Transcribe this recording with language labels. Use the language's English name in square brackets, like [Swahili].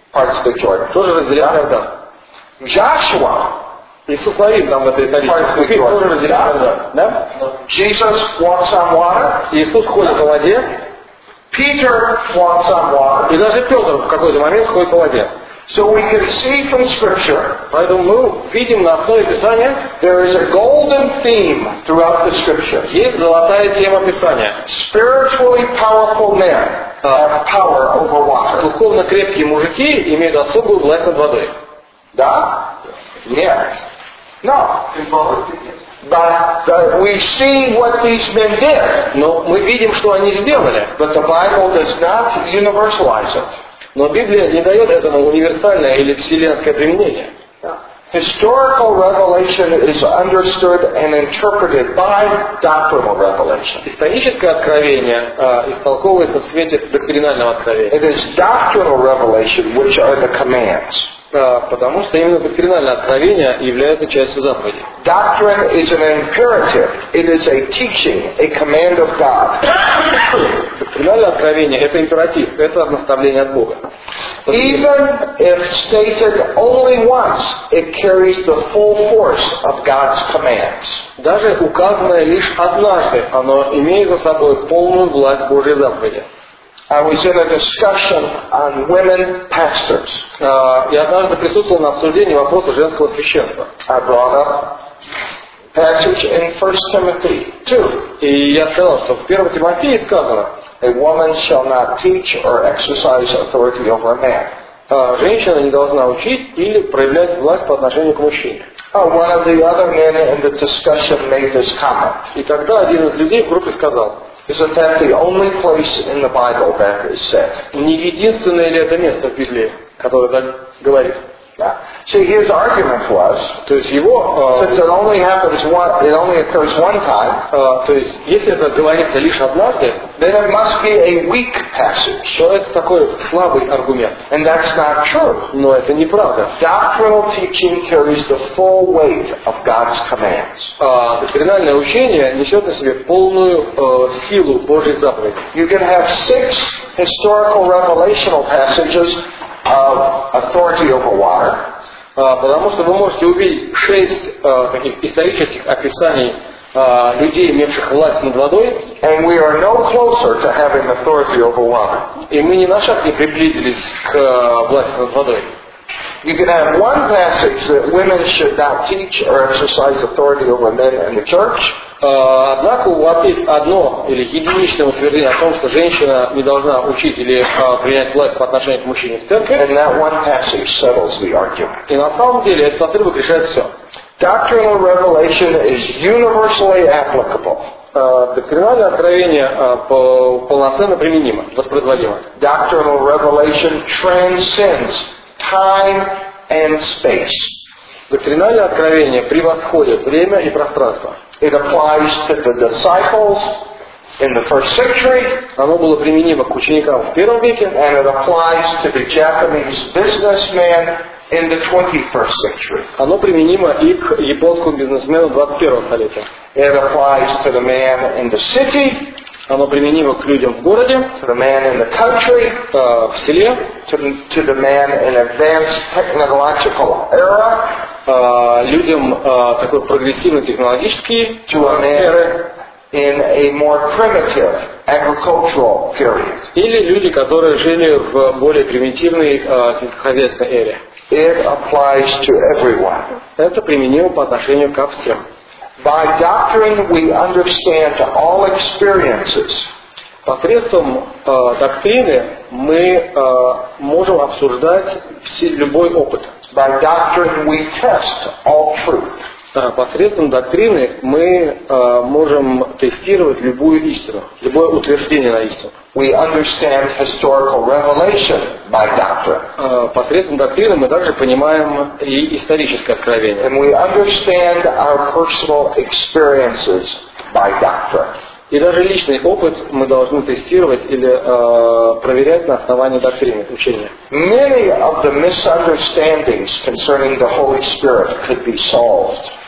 [English] parts the Jordan. [Russian] Тоже разделяет Иордан. [English] Joshua. [Russian] Иисус Навин там в этой тарифе. Тоже разделяет Иордан. Да? [English] Jesus walks on water. [Russian] Иисус ходит по воде. [English] Peter walks on water. [Russian] И даже Петр в какой-то момент ходит по воде. [English] So we can see from Scripture. [Russian] Поэтому мы видим на основе Писания. [English] There is a golden theme throughout the Scriptures. [Russian] Есть золотая тема Писания. [English] Spiritually powerful men have power over water. [Russian] Духовно крепкие мужики имеют особую власть над водой. Да? Нет. [English] No. But we see what these men did. [Russian] Но мы видим, что они сделали. [English] But the Bible does not universalize it. [Russian] Но Библия не дает этому универсальное или вселенское применение. [English] Historical revelation is understood and interpreted by doctrinal revelation. [Russian] Историческое откровение истолковывается в свете доктринального откровения. [English] It is doctrinal revelation which are the commands. [Russian] Потому что именно доктринальное откровение является частью заповеди. [English] Doctrine is an imperative. It is a teaching, a command of God. [Russian] Доктринальное откровение – это императив, это наставление от Бога. [English] Even if stated only once, it carries the full force of God's commands. [Russian] Даже указанное лишь однажды, оно имеет за собой полную власть Божьей заповеди. [English] I was in a discussion on women pastors. [Russian] Я однажды присутствовал на обсуждении вопроса женского священства. [English] I brought up passage in 1 Timothy 2. [Russian] И я сказал, что в 1 Тимофея сказано: [English] a woman shall not teach or exercise authority over a man. [Russian] Женщина не должна учить или проявлять власть по отношению к мужчине. [English] One of the other men in the discussion made this comment. [Russian] И тогда один из людей в группе сказал: [English] isn't that the only place in the Bible that is said? [Russian] Не единственное ли это место в Библии, которое так говорит? [English] Yeah. See, his argument was, [Russian] то есть его, [English] since it only happens one, it only occurs one time, [Russian] то есть если это говорится лишь однажды, [English] then it must be a weak passage. [Russian] То это такой слабый аргумент. [English] And that's not true. [Russian] Но это неправда. [English] Doctrinal teaching carries the full weight of God's commands. [Russian] Доктринальное учение несет на себе полную силу Божьей заповеди. [English] You can have six historical revelational passages of authority over water. [Russian] Потому что вы можете увидеть шесть таких исторических описаний людей, имевших власть над водой. [English] And we are no closer to having authority over water. [Russian] И мы ни на шаг не приблизились к власти над водой. [English] You can have one passage that women should not teach or exercise authority over men in the church. [Russian] Однако у вас есть одно или единичное утверждение о том, что женщина не должна учить или принять власть по отношению к мужчине в церкви. [English] And that one passage settles the argument. [Russian] И на самом деле этот отрывок решает все. [English] Doctrinal revelation is universally applicable. [Russian] Доктринальное откровение полноценно применимо, воспроизводимо. [English] Doctrinal revelation transcends time and space. [Russian] Доктринальное откровение превосходит время и пространство. [English] It applies to the disciples in the first century. [Russian] Оно было применимо к ученикам в первом веке. [English] And it applies to the Japanese businessman in the 21st century. [Russian] Оно применимо и к японскому бизнесмену 21 столетия. [English] It applies to the man in the city. [Russian] Оно применимо к людям в городе. [English] To the man in the country. [Russian] В селе. [English] To the man in advanced technological era. [Russian] Людям такой прогрессивный технологический. [English] To a man in a more primitive agricultural period. [Russian] Или люди, которые жили в более примитивной сельскохозяйственной эре. [English] It applies to everyone. [Russian] Это применимо по отношению ко всем. [English] By doctrine we understand all experiences. [Russian] Посредством доктрины мы можем обсуждать любой опыт. [English] By doctrine we test all truth. [Russian] Посредством доктрины мы можем тестировать любую истину, любое утверждение на истину. [English] We understand historical revelation by doctrine. [Russian] Посредством доктрины мы также понимаем и историческое откровение. [English] And we understand our personal experiences by doctrine. [Russian] И даже личный опыт мы должны тестировать или проверять на основании доктрины, учения. [English] Many of the misunderstandings concerning the Holy Spirit could be solved.